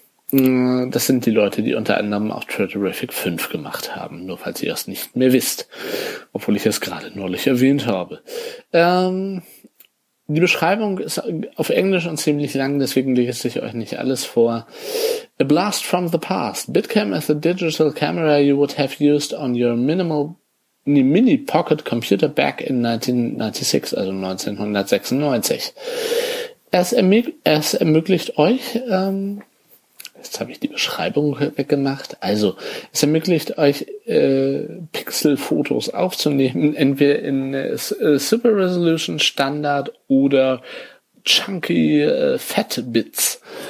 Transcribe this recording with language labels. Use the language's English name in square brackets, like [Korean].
[German] Das sind die Leute, die unter anderem auch Treterific 5 gemacht haben, nur falls ihr es nicht mehr wisst, obwohl ich es gerade neulich erwähnt habe. Die Beschreibung ist auf Englisch und ziemlich lang, deswegen lese ich euch nicht alles vor. [English] A blast from the past. Bitcam is a digital camera you would have used on your mini pocket computer back in 1996, also 1996. [German] Es ermöglicht euch, jetzt habe ich die Beschreibung weggemacht. Also, es ermöglicht euch, Pixelfotos aufzunehmen, entweder in Super Resolution Standard oder Chunky Fat Bits.